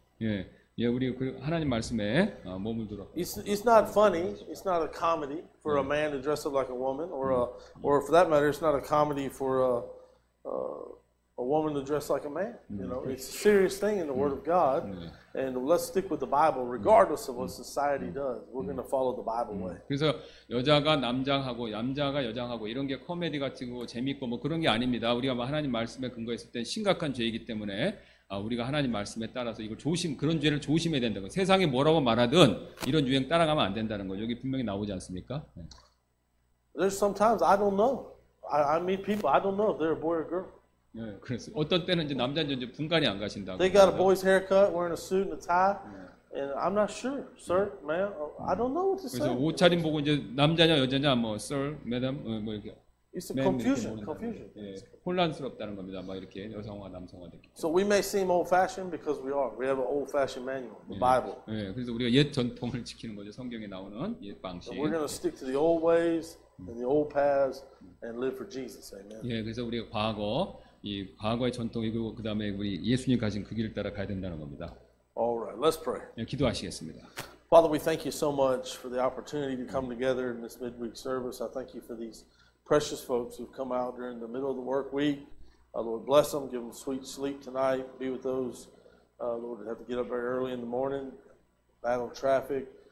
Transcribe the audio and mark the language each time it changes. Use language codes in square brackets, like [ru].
[ko] 예, 우리 하나님 말씀에 머물도록. [en] It's not funny. It's not a comedy for a man to dress up like a woman, or or for that matter, it's not a comedy for a woman to dress like a man. You know, it's a serious thing in the Word of God, and let's stick with the Bible, regardless of what society does. We're going to follow the Bible way. [ko] 그래서 여자가 남장하고 남자가 여장하고 이런 게 코미디 같고 재밌고 뭐 그런 게 아닙니다. 우리가 하나님 말씀에 근거했을 때 심각한 죄이기 때문에. 아, 우리가 하나님 말씀에 따라서 이걸 조심 그런 죄를 조심해야 된다고 세상이 뭐라고 말하든 이런 유행 따라가면 안 된다는 거 여기 분명히 나오지 않습니까? 네. [en] There's sometimes I don't know. I meet people. I don't know if they're a boy or girl. [ko] 네, 그래서 어떤 때는 이제 남자인지 분간이 안 가신다고. [en] They got a boy's haircut, wearing a suit and a tie, and I'm not sure, sir, ma'am. I don't know what to say. [ko] 그래서 옷차림 보고 이제 남자냐 여자냐 뭐 [en] sir, madam [ko] 뭐 이렇게. [en] It's a confusion. [ko] 예, 혼란스럽다는 겁니다. 막 이렇게 여성화, 남성화 되기. [en] So we may seem old-fashioned because we are. We have an old-fashioned manual, the Bible. [ko] 예, 그래서 우리가 옛 전통을 지키는 거죠. 성경에 나오는 옛 방식. [en] So we're going to stick to the old ways and the old paths and live for Jesus. Amen. [ko] 예, 그래서 우리가 과거, 이 과거의 전통 그리고 그 다음에 우리 예수님 가신 그 길을 따라 가야 된다는 겁니다. [en] All right, let's pray. [ko] 예, 기도하시겠습니다. [en] Father, we thank you so much for the opportunity to come together in this midweek service. I thank you for these. Precious folks who've come out during the middle of the work week. Lord, bless them. Give them sweet sleep tonight. Be with those, Lord, that have to get up very early in the morning, battle traffic.